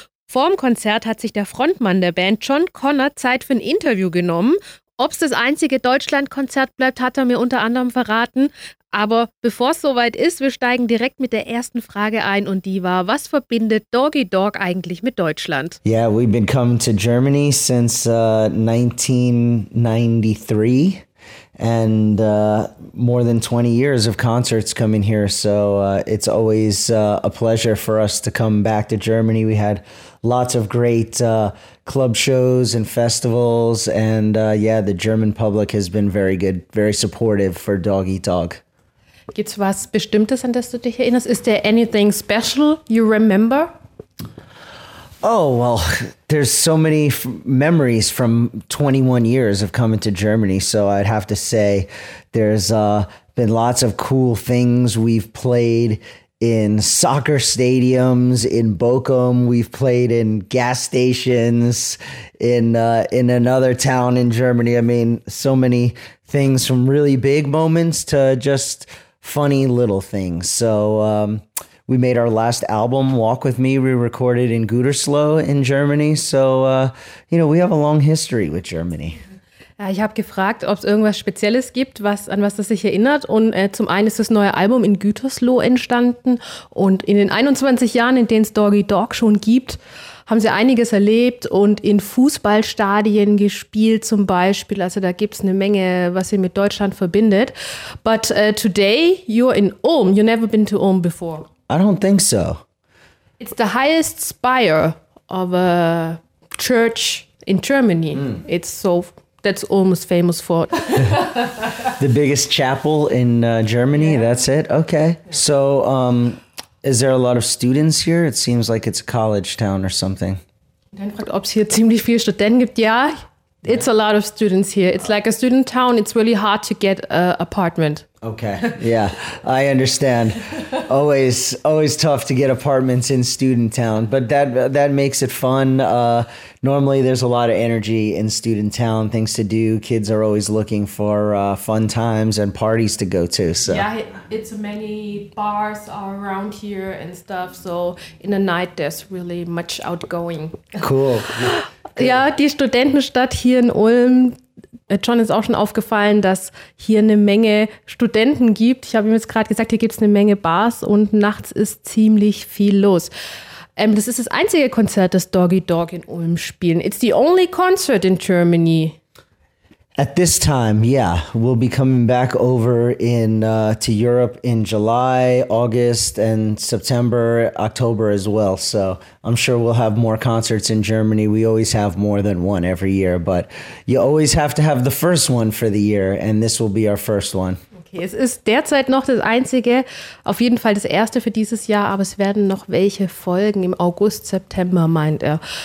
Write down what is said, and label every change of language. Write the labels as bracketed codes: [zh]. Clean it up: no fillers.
[de] Vorm Konzert hat sich der Frontmann der Band, John Connor, Zeit für ein Interview genommen. Ob es das einzige Deutschlandkonzert bleibt, hat er mir unter anderem verraten. Aber bevor es soweit ist, wir steigen direkt mit der ersten Frage ein und die war, was verbindet Doggy Dogg eigentlich mit Deutschland? [en] Yeah, we've been coming to Germany since 1993 and more than 20 years of concerts coming here. So it's always a pleasure for us to come back to Germany. We had lots of great club shows and festivals and the German public has been very good, very supportive for Doggy Dogg. [de] Gibt's was Bestimmtes, an das du dich erinnerst? [en] Is there anything special you remember? Oh, well, there's so many memories from 21 years of coming to Germany. So I'd have to say there's been lots of cool things. We've played in soccer stadiums in Bochum. We've played in gas stations in another town in Germany. I mean, so many things from really big moments to just funny little things. So we made our last album, Walk With Me. We recorded in Gütersloh in Germany. So we have a long history with Germany. [de] Ich habe gefragt, ob es irgendwas Spezielles gibt, an was das sich erinnert. Und zum einen ist das neue Album in Gütersloh entstanden. Und in den 21 Jahren, in denen es Doggy Dogg schon gibt, haben sie einiges erlebt und in Fußballstadien gespielt zum Beispiel. Also da gibt es eine Menge, was sie mit Deutschland verbindet. [en] But today you're in Ulm. You've never been to Ulm before. I don't think so. It's the highest spire of a church in Germany. Mm. It's so... That's almost famous for the biggest chapel in Germany. Yeah. That's it. Okay. Yeah. So, is there a lot of students here? It seems like it's a college town or something. [de] Dann fragt, ob es hier ziemlich viele Studenten gibt. [en] Ja, it's a lot of students here. It's like a student town. It's really hard to get an apartment. Okay. Yeah, I understand. Always tough to get apartments in student town, but that makes it fun. Normally there's a lot of energy in student town, things to do. Kids are always looking for fun times and parties to go to. So yeah, it's many bars are around here and stuff. So in the night, there's really much outgoing. Cool. [de] Ja, die Studentenstadt hier in Ulm. John, ist auch schon aufgefallen, dass hier eine Menge Studenten gibt. Ich habe ihm jetzt gerade gesagt, hier gibt es eine Menge Bars und nachts ist ziemlich viel los. Das ist das einzige Konzert, das Doggy Dogg in Ulm spielen. [en] It's the only concert in Germany. At this time, yeah. We'll be coming back over to Europe in July, August and September, October as well. So I'm sure we'll have more concerts in Germany. We always have more than one every year, but you always have to have the first one for the year and this will be our first one. [de] Okay, es ist derzeit noch das einzige, auf jeden Fall das erste für dieses Jahr, aber es werden noch welche folgen im August, September, meint er.